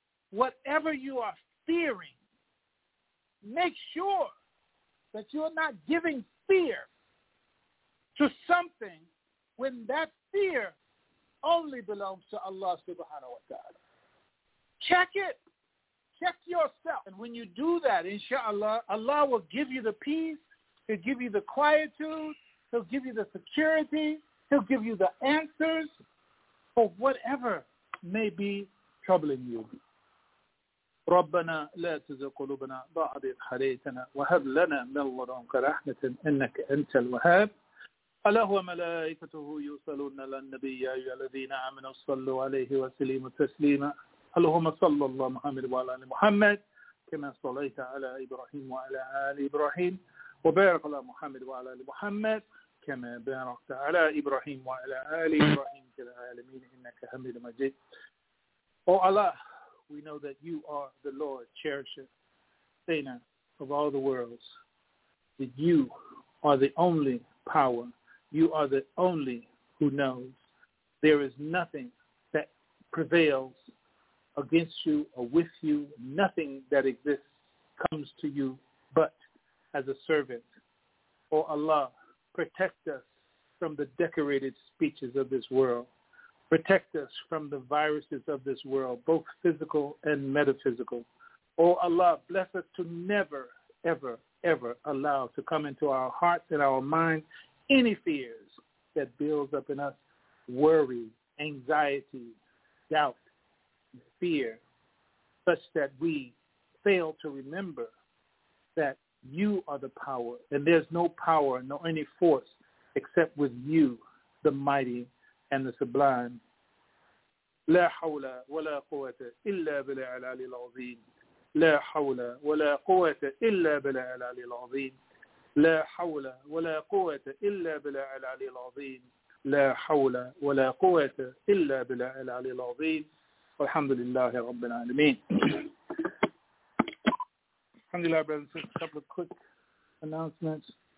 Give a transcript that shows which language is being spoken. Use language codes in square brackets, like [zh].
[en] Whatever you are fearing, make sure that you're not giving fear to something when that fear only belongs to Allah subhanahu wa ta'ala. Check it. Check yourself. And when you do that, inshallah, Allah will give you the peace, he'll give you the quietude, he'll give you the security, he'll give you the answers for whatever may be troubling you. [ar] ربنا لا تزغ قلوبنا بعد إذ هديتنا وهب لنا من لدنك رحمة إنك أنت الوهاب. ألا هو ملائكته يصلون على النبي يا أيها الذين آمنوا صلوا عليه وسلموا تسليما. اللهم صل الله محمد وعلى آل محمد كما صليت على إبراهيم وعلى آل إبراهيم وبارك على محمد وعلى آل محمد كما باركت على إبراهيم وعلى آل إبراهيم في العالمين إنك حميد مجيد. أو الله, [en] we know that you are the Lord, cherisher, Sena of all the worlds, that you are the only power. You are the only who knows. There is nothing that prevails against you or with you. Nothing that exists comes to you but as a servant. O Allah, protect us from the decorated speeches of this world. Protect us from the viruses of this world, both physical and metaphysical. O Allah, bless us to never, ever ever allow to come into our hearts and our minds any fears that builds up in us, worry, anxiety, doubt, fear, such that we fail to remember that you are the power, and there's no power nor any force except with you, the mighty and the sublime. [ar] لا حول ولا قوة إلا بالعلي العظيم. لا حول ولا قوة إلا بالعلي العظيم. لا حول ولا قوة إلا بالعلي العظيم. لا حول ولا قوة إلا بالعلي العظيم. الحمد لله رب العالمين. الحمد لله. [en] Brothers, just a couple of quick announcements.